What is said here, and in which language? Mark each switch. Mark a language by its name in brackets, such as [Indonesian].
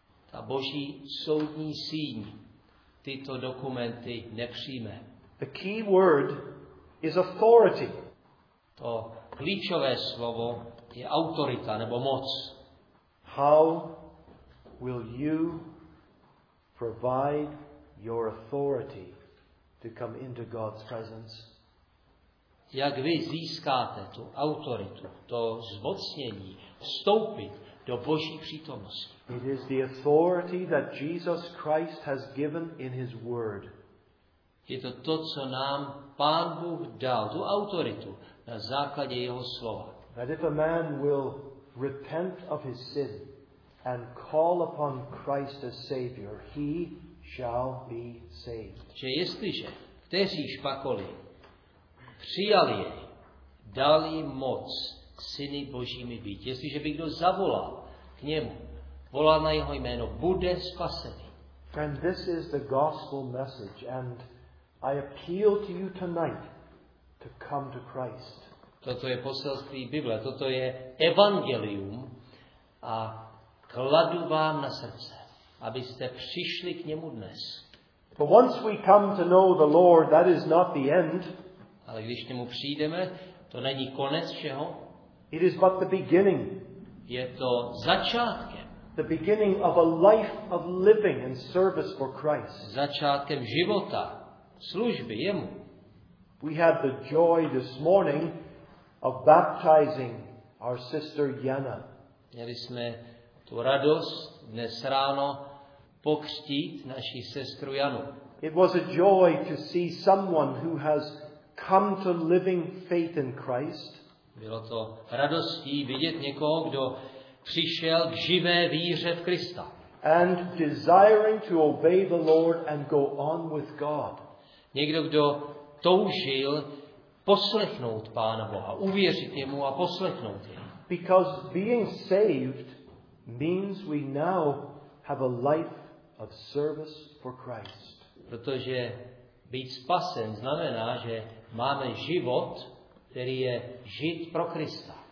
[Czech] Ta Boží soudní síň tyto dokumenty nepřijme. [English] The key word is authority. [Czech] To klíčové slovo je autorita nebo moc. [English] How will you provide your authority to come into God's presence? [Czech] Jak vy získáte tu autoritu, to zmocnění vstoupit do Boží přítomnosti? [English] It is the authority that Jesus Christ has given in his word. [Czech] Je to to, co nám Pán Bůh dal, tu autoritu, na základě jeho slova. [English] That if a man will repent of his sin and call upon Christ as Savior, he shall be saved. [Czech] Že jestliže kteří špakoli přijali jej, dali moc syny Božími být. Jestliže by kdo zavolal k němu, volal na jeho jméno, bude spasený. [English] And this is the gospel message, and I appeal to you tonight to come to Christ. [Czech] Toto je poselství Bible, toto je evangelium a kladu vám na srdce, abyste přišli k němu dnes. [English] But once we come to know the Lord, that is not the end. [Czech] Ale když k němu přijdeme, to není konec všeho. [English] It is but the beginning. [Czech] Je to začátkem. [English] The beginning of a life of living and service for Christ. [Czech] Začátkem života, služby jemu. [English] We had the joy this morning of baptizing our sister Jana. [Czech] Měli jsme tu radost dnes ráno pokřtít naši sestru Janu. [English] It was a joy to see someone who has come to living faith in Christ. [Czech] Bylo to radostí vidět někoho, kdo přišel k živé víře v Krista. [English] And desiring to obey the Lord and go on with God. [Czech] Někdo, kdo toužil poslechnout Pána Boha, uvěřit jemu a poslechnout jej. [English] Because being saved means we now have a life of service for Christ. [Czech] Protože být spasen znamená, že máme život, který je žít pro Krista.